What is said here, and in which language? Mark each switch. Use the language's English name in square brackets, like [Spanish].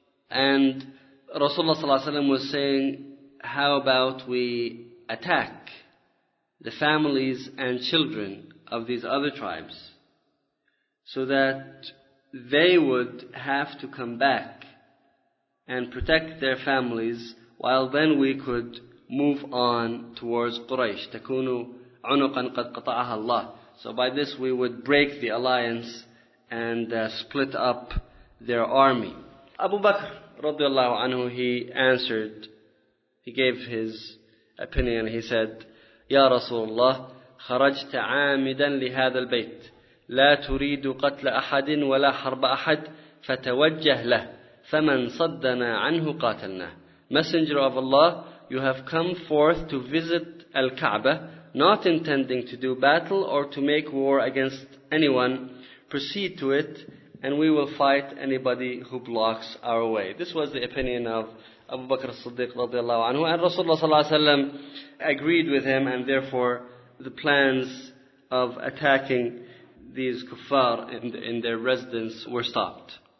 [English] And Rasulullah sallallahu alaihi wasallam was saying, how about we attack the families and children of these other tribes so that they would have to come back and protect their families, while then we could move on towards Quraysh. [Arabic] تَكُونُ عُنُقًا قَدْ قَطَعَهَا اللَّهُ. [English] So by this we would break the alliance and split up their army. Abu Bakr radiallahu anhu, he answered, he gave his opinion. He said, [Arabic] "Ya Rasulullah, خرجت عامدا لهذا البيت لا تريد قتل أحد ولا حرب أحد فتوجه له فمن صدنا عنه قاتلنا." [English] Messenger of Allah, you have come forth to visit Al-Kaaba, not intending to do battle or to make war against anyone. Proceed to it, and we will fight anybody who blocks our way. This was the opinion of Abu Bakr as-Siddiq radiallahu anhu, and Rasulullah sallallahu alayhi wa sallam agreed with him, and therefore the plans of attacking these kuffar in their residence were stopped.